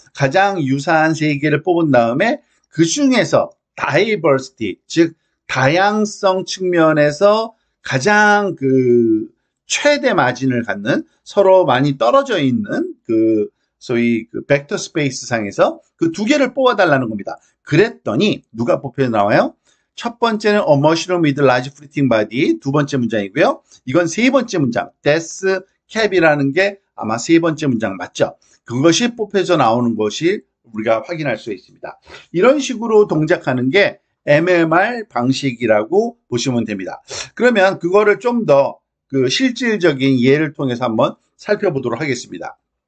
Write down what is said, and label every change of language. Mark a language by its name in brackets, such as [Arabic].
[Korean] 가장 유사한 세 개를 뽑은 다음에 그 중에서 다이버시티, 즉 다양성 측면에서 가장 최대 마진을 갖는 서로 많이 떨어져 있는 그 소위 그 벡터 스페이스 상에서 그두 개를 뽑아달라는 겁니다. 그랬더니 누가 뽑혀 나와요? 첫 번째는 [English] A mushroom with large fruiting body [Korean] 두 번째 문장이고요. 이건 세 번째 문장, death cap이라는 게 아마 세 번째 문장 맞죠? 그것이 뽑혀져 나오는 것이 우리가 확인할 수 있습니다. 이런 식으로 동작하는 게 MMR 방식이라고 보시면 됩니다. 그러면 그거를 좀더그 실질적인 예를 통해서 한번 살펴보도록 하겠습니다.